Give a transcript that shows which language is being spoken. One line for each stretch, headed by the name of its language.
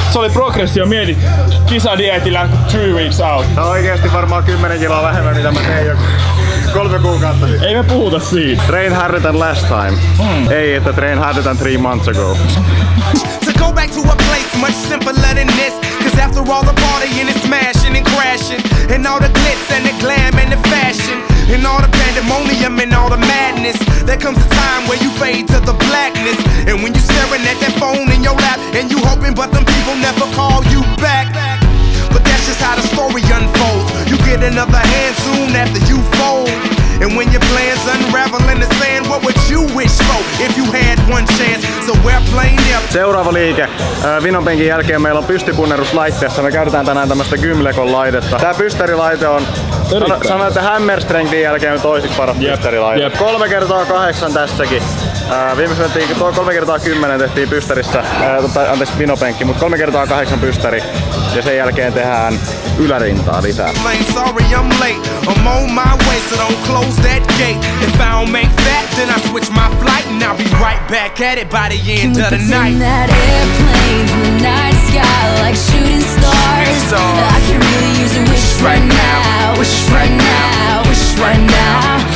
Finnish: Se oli progressio, mieti kisadietillä
English: 2 weeks out.
Finnish: No oikeesti varmaan 10 kiloa vähemmän mitä mä tein jo 3 kuukautta sitten. Ei me puhuta siitä.
English: Train harder than last time.
Finnish: Ei, että
English: train harder than 3 months ago. To go back to a place much simpler than this. Cause after all the partying and smashing and crashing. And all the glitz and the glam and the fashion. In all the pandemonium and all the madness, there comes a time where you fade to the blackness. And when you staring at that phone in your lap, and you hoping but them people never call you back. But that's just how the story unfolds. You get another hand soon after you fold. And when your plans unravel in the sand, what would you wish for if you had one chance? So we're playing up.
Finnish: Seuraava liike. Vinopenkin jälkeen meillä on pystypunnerus laitteessa. Me käytetään tänään tämmöstä Gymlekon laitetta. Tää pystärilaite on sanoin, että Hammer Strengthin jälkeen on toisin paras pystärilaite. Yep. 3x8 tässäkin. Viimeisenä tuo 3x10 tehtiin pystärissä, anteeksi vinopenkki, mutta 3x8 pystäri. Ja sen jälkeen tehdään ylärintaa lisää.
English: Sorry I'm late, I'm on my way, so don't close that gate. If I don't make that, then I switch my flight. And I'll be right back at it by the end of the night. Can we pretend that airplanes in the night sky like shooting stars? I can really use a wish right now, wish right now, wish right now.